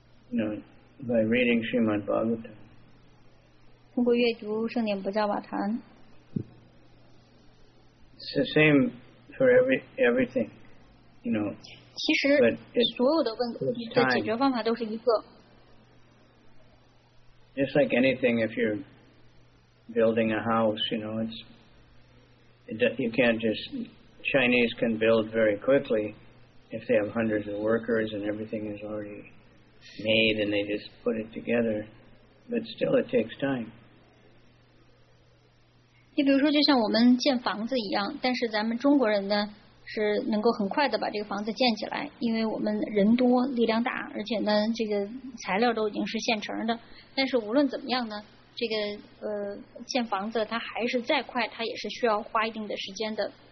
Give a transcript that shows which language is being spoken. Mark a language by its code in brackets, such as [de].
[en] No. By reading Srimad Bhagavatam. [zh] 通过阅读圣典不加瓦坛。 [en] It's the same for everything, you know. [zh] 其实所有的问题的解决方法都是一个。 [en] Just like anything, if you're building a house, you know, you can't just, Chinese can build very quickly if they have hundreds of workers and everything is already... made and they just put it together but still it takes time [zh] 你比如说就像我们建房子一样但是咱们中国人呢是能够很快的把这个房子建起来因为我们人多力量大而且呢这个材料都已经是现成的但是无论怎么样呢这个建房子它还是再快它也是需要花一定的时间的